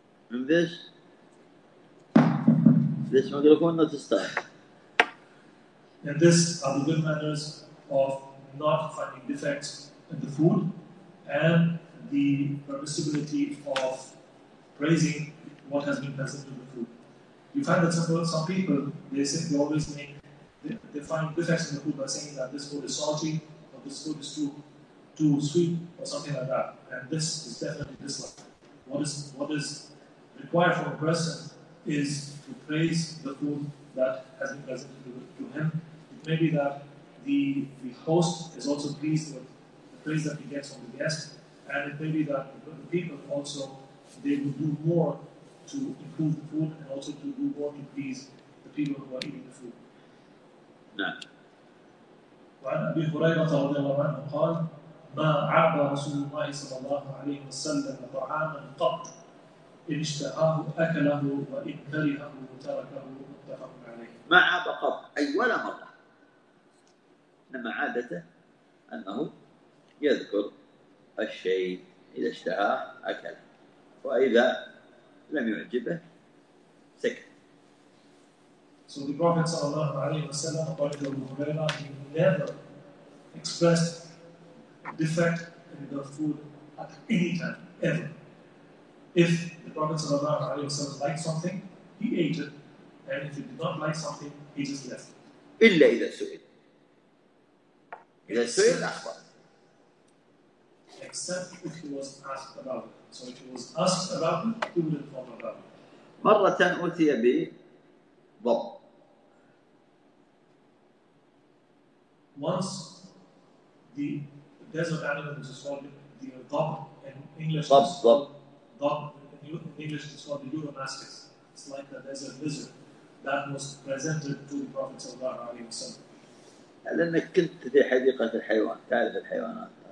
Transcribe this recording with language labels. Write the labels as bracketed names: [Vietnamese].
[Arabic] من ذيش؟ ذيش ما قلت لكم أنه تستاهل. [English] And this are the good manners of not finding defects in the food and the permissibility of praising what has been present in the food. You find that some people, they simply always make, they find defects in the food by saying that this food is salty or this food is too sweet or something like that. And this is definitely dislike. What is required for a person is to praise the food that has been presented to him. It may be that the host is also pleased with the praise that he gets from the guest, and it may be that the people also, they would do more to improve the food and also to do more to please the people who are eating the food. [Arabic] وعن أبي هريرة رضي الله عنه قال ما عاب رسول الله صلى الله عليه وسلم طعاما قط إن اشتهاه أكله وإن كرهه تركه متفق عليه. ما عاب قط أي ولا مرة. إنما عادته أنه يذكر الشيء إذا اشتهاه أكل وإذا لم يعجبه سكت. [English] So the Prophet صلى الله عليه وسلم according to Abu Huraira, he never expressed defect in the food at any time, ever. If the Prophet صلى الله عليه وسلم liked something, he ate it. And if he did not like something, he just left it. [Arabic] إلا إذا سئل. إذا سئل أخبر. [English] Except if he was asked about it. So if he was asked about it, he would inform about it. [Arabic] مرة أتي بضب. [English] Once the desert animal is called the dhab in English. Dhab in English is called the Euromastix. It's like a desert lizard that was presented to the Prophet صلى الله عليه وسلم. [Arabic] لأنك كنت في حديقة الحيوان تعرف الحيوانات.